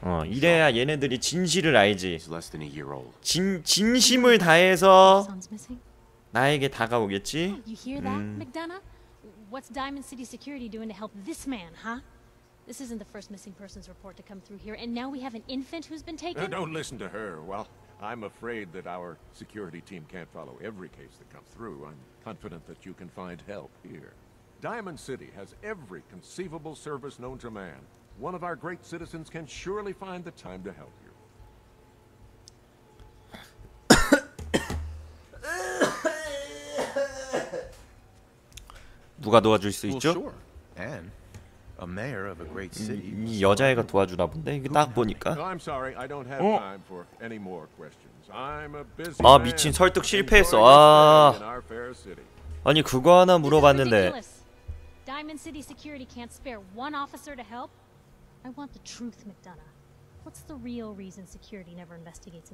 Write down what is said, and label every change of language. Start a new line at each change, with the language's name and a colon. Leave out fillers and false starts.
Korean: 이래야 얘네들이 진실을 알지. 진심을 다해서 나에게 다가오겠지.
English: You hear that, McDonough? What's Diamond City Security doing to help this man, huh? This isn't the first missing persons report to come through here, and now we have an infant who's been taken. Don't listen to her. Well, I'm afraid that our security team can't follow every case that comes through. I'm confident that you can find help here. Diamond City has every conceivable service known to man. One of our great citizens can surely find the time to help you. Well, sure. And a mayor of a great city.
Korean: 이 여자애가 도와주나 본데 이게 딱 보니까.
English: No, I'm sorry. I don't have time for any more questions. I'm a busy.
Korean: 아 미친 설득 실패했어. 아 아니 그거 하나 물어봤는데.
English: Diamond City Security can't spare one officer to help. I want the truth, McDonough. What's the real reason security never investigates?